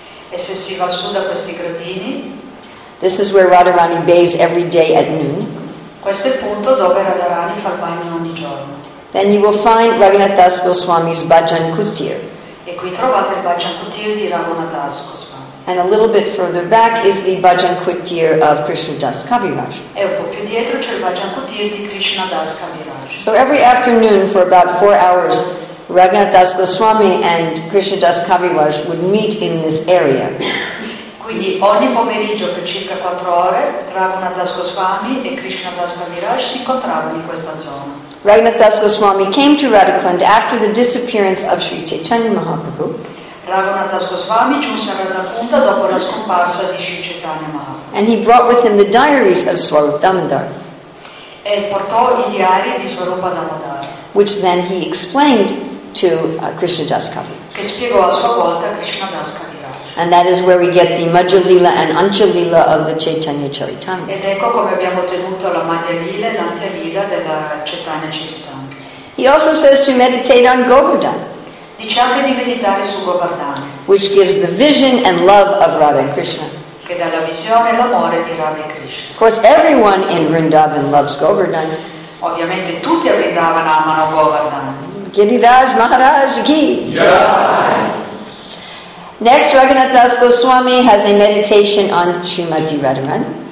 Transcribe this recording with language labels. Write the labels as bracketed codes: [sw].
[it] e se si va su da questi gradini, [en] this is where Radharani bathes every day at noon. [it] Questo è il punto dove Radharani fa il bagno ogni giorno. [en] Then you will find Raghunatha Goswami's Bhajan Kutir. [it] E qui trovate il Bhajan Kutir di Raghunatha Goswami. [en] And a little bit further back is the Bhajan Kutir of Krishna Das Kaviraj. [it] E un po' più dietro c'è il Bhajan Kutir di Krishna Das Kaviraj. [en] So every afternoon for about 4 hours, Raghunatha Goswami and Krishna Das Kaviraj would meet in this area. [it] Quindi ogni pomeriggio per circa 4 ore, Raghunatha Goswami e Krishna Das Kaviraj si incontravano in questa zona. [en] Raghunatha Goswami came to Radha Kunda after the disappearance of Sri Chaitanya Mahaprabhu. [it] Raghunatha Goswami giunse a Radha Kunda dopo la scomparsa di Sri Chaitanya Mahaprabhu. [en] And he brought with him the diaries of Swarup Damodar. [it] E portò i diari di Swarup Damodar. [en] Which then he explained to Krishna Das Kaviraj. [it] Che spiegò a sua volta Krishna Das Kaviraj. [en] And that is where we get the Majjalila and Anchalila of the Chaitanya Charitamrita. [it] Ed ecco come abbiamo ottenuto la Majjalila e l'Anchalila della Chaitanya Charitamrita. [en] He also says to meditate on Govardhan. [it] Dice anche di meditare su Govardhan. [en] Which gives the vision and love of Radha and Krishna. [it] Che dà la visione e l'amore di Radha e Krishna. [en] Of course, everyone in Vrindavan loves Govardhan. [it] Ovviamente tutti a Vrindavan amano Govardhan. [hi] Giriraj Maharaj Ki. [en] Next, Raghunatha Das Goswami has a meditation on Srimati Radharani.